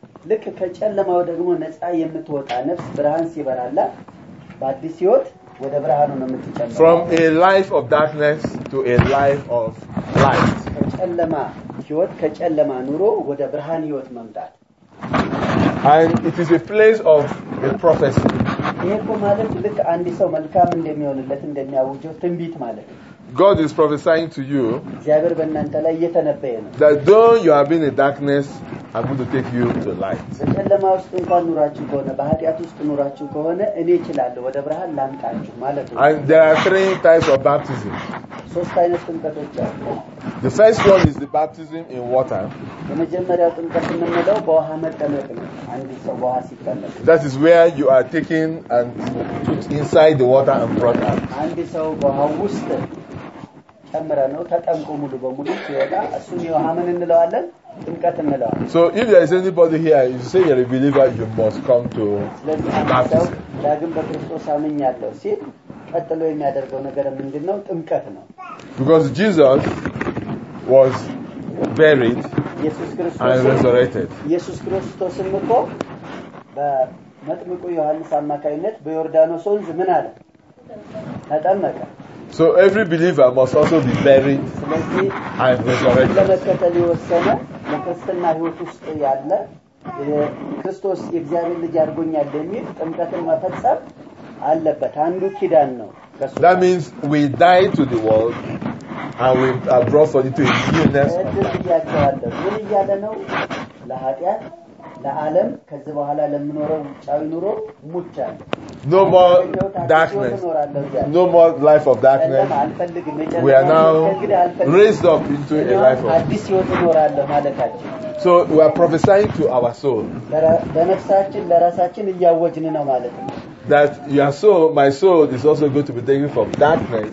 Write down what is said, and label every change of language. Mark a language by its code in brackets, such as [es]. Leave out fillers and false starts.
[am] ልክ ከጨለማው ደግሞ ነፃ የምትወጣ ነፍስ ብርሃን ሲበራላ በአዲስ ህይወት ወደ ብርሃኑ ነው የምትጨምረው። [en] From a life of darkness to a life of light. [am] ከጨለማ ህይወት ከጨለማ ኑሮ ወደ ብርሃን ህይወት መምጣት። [en] And it is a place of a prophecy. [am] ይሄ ማለት ልክ አንድ ሰው መልካም እንደሚሆንለት እንደሚያውጀው ትንቢት ማለት ነው። [en] God is prophesying to you. [am] እግዚአብሔር በእናንተ ላይ እየተነበየ ነው። [en] That though you have been in darkness, I'm going to take you to light. [am] ከጨለማ ውስጥ እንኳን ኑራችሁ ከሆነ በኃጢአት ውስጥ ኑራችሁ ከሆነ እኔ እችላለሁ ወደ ብርሃን ላምጣችሁ ማለት ነው። [en] And there are three types of baptism. [am] ሶስት አይነት ጥምቀቶች አሉ። [en] The first one is the baptism in water. [am] የመጀመሪያው ጥምቀት የምንለው በውሃ መጠመቅ ነው። አንድ ሰው በውሃ ሲጠመቅ [en] That is where you are taken and put inside the water and brought out. [am] አንድ ሰው በውሃ ውስጥ ተመረነው ተጠምቆ ሙሉ በሙሉ ሲወጣ እሱን ዮሐንን እንለዋለን ጥምቀት እንለዋለን። [en] So if there is anybody here you say you're a believer you must come to baptism. [am] ዳግም በክርስቶስ አመኛለሁ ሲል ቀጥሎ የሚያደርገው ነገር ምንድነው? ጥምቀት ነው። [en] Because Jesus was buried and resurrected. [am] ኢየሱስ ክርስቶስ እኮ በመጥምቁ ዮሐንስ አማካይነት በዮርዳኖስ ወንዝ ምን አለ? ተጠመቀ። [en] So every believer must also be buried and resurrected. [am] ለመከተል ወሰነ መከተልና ህይወት ውስጥ ያለ ክርስቶስ እግዚአብሔር ልጅ አድርጎኛል ለሚል ጥምቀትን መፈጸም አለበት። አንዱ ኪዳን ነው። [en] That means we die to the world and we are brought forth into a newness. [am] ምን ይያለ ነው? ለኃጢአት ለዓለም ከዚህ በኋላ ለምኖረው ጫዊ ኑሮ ሙቻል። [en] No more darkness. No more life of darkness. We are now raised up into a life of [am] አዲስ ህይወት እንኖራለን ማለታችን። [en] So we are prophesying to our soul. [am] ለነፍሳችን ለራሳችን እያወጅን ነው ማለት ነው። [en] That your soul, my soul is also going to be taken from darkness.